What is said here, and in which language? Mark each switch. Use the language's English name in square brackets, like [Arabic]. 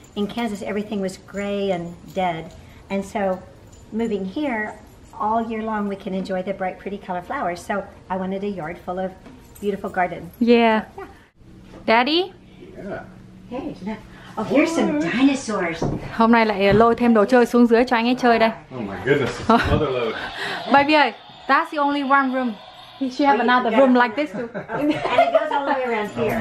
[English] In Kansas, everything was gray and dead. And so moving here, all year long, we can enjoy the bright, pretty color flowers. So I wanted a yard full of beautiful garden. Yeah. Yeah. Daddy? Yeah. Hey, oh, here's some dinosaurs. [Vietnamese] Hôm nay lại lôi thêm đồ chơi xuống dưới cho anh ấy chơi đây. [English] Oh my goodness, another load. Baby ơi, that's the only one room. She have another room like this too. And it goes all the way around here.